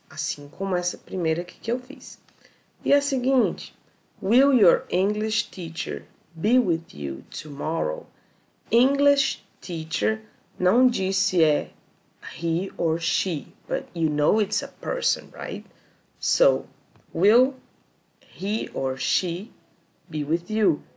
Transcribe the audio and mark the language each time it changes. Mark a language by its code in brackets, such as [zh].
[pt] Assim como essa primeira aqui que eu fiz. E a seguinte. [en] Will your English teacher be with you tomorrow? English teacher [pt] não disse é [en] he or she. But you know it's a person, right? So, will he or she be with you?